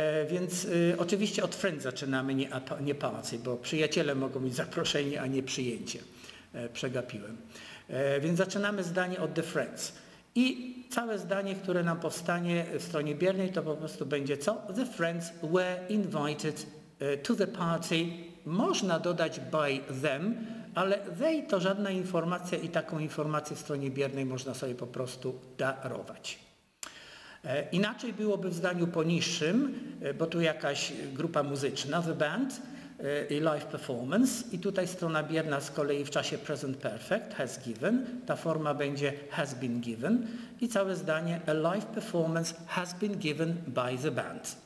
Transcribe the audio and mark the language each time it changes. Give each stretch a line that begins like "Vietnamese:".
Polish: Więc oczywiście od friend zaczynamy, nie pałacy, bo przyjaciele mogą być zaproszeni, a nie przyjęcie. Przegapiłem. Więc zaczynamy zdanie od the friends. I całe zdanie, które nam powstanie w stronie biernej, to po prostu będzie co?
English: The friends were invited to the party.
Polish: Można dodać by them, ale they to żadna informacja i taką informację w stronie biernej można sobie po prostu darować. Inaczej byłoby w zdaniu poniższym, bo tu jakaś grupa muzyczna, the band i live performance i tutaj strona bierna z kolei w czasie present perfect, has given, ta forma będzie has been given i całe zdanie
English: a live performance has been given by the band.